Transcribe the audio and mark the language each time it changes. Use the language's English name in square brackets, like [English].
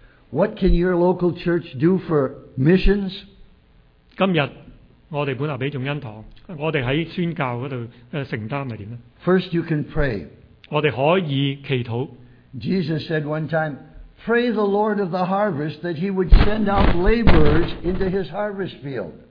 [English] what can your local church do for missions? [Chinese] 今天我们本来比众恩堂，我们在宣教那里的承担是怎样呢? [English] First, you can pray. [Chinese] 我们可以祈祷。 [English] Jesus said one time, pray the Lord of the harvest that he would send out laborers into his harvest field.